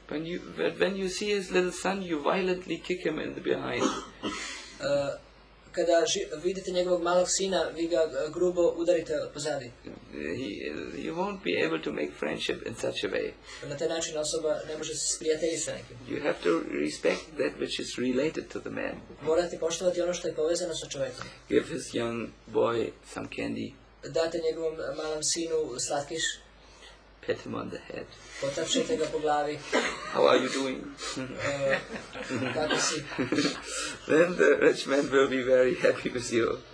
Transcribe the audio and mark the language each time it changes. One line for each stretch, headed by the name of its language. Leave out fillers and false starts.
English: When you see his little son, you violently kick him in the behind.
Serbian: Kada vidite njegovog malog sina, vi ga grubo udarite pozadi.
English: You won't be able to make friendship in such a way.
Serbian: Na taj način osoba ne može se sprijateljiti sa nekim.
English: You have to respect that which is related to the man.
Serbian: Morate poštovati ono što je povezano sa čovjekom.
English: Give his young boy some candy.
Serbian: Date njegovom malom sinu slatkiš.
English: Pet him on the head.
Serbian: Potapšite ga po glavi.
English: How are you doing?
Serbian: Kako si?
English: Then the rich man will be very happy with you.